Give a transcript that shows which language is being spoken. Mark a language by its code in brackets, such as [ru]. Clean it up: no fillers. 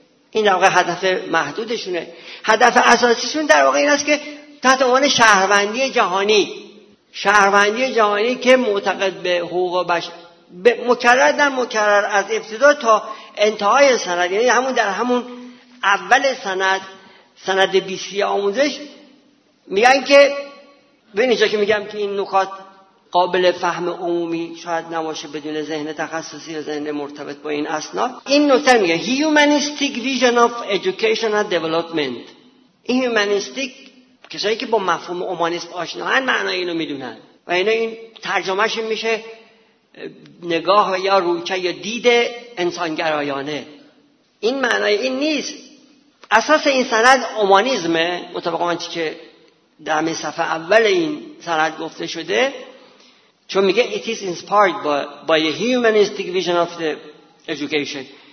[fa] این در واقع هدف محدودشونه. هدف اساسیشون در واقع این است که تحت عنوان شهروندی جهانی، شهروندی جهانی که معتقد به حقوق بشر، به مکرر در مکرر از ابتدا تا انتهای سند، یعنی همون در همون اول سند، سند 20 آموزش میگن که، ببینید چه که میگم که این نکات قابل فهم عمومی شاید نباشه بدون ذهن تخصصی یا ذهن مرتبط با این اسناد. این نکته میگه [en] Humanistic Vision of Education and Development. [fa] این Humanistic کسایی که با مفهوم اومانیست آشناهن معنای اینو میدونن و اینا این ترجمهش میشه نگاه یا رویکرد یا دید انسانگرایانه. این معنای این نیست. اساس این سند اومانیزمه، مطابق آنچه که در صفحه اول این سند گفته شده، چون میگه [en] it is inspired by a humanistic vision of the education.